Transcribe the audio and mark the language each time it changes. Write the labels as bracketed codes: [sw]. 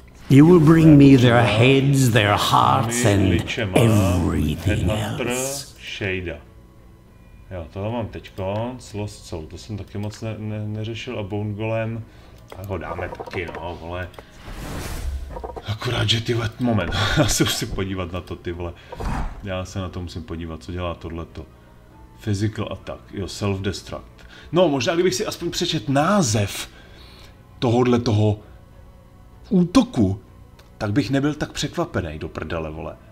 [en] You will bring me their heads, their hearts and everything else. [cs] Shada. Jo, toho mám teďkon. Lost Soul. To jsem taky moc neřešil a Bone Golem. Tak ho dáme taky, no, vole. Akorát, že ty vole, moment, já se musím podívat na to, ty vole. Já se na to musím podívat, co dělá tohleto. [en] Physical attack, jo, self-destruct. [cs] No, možná kdybych si aspoň přečet název tohohle toho útoku, tak bych nebyl tak překvapený, do prdele, vole.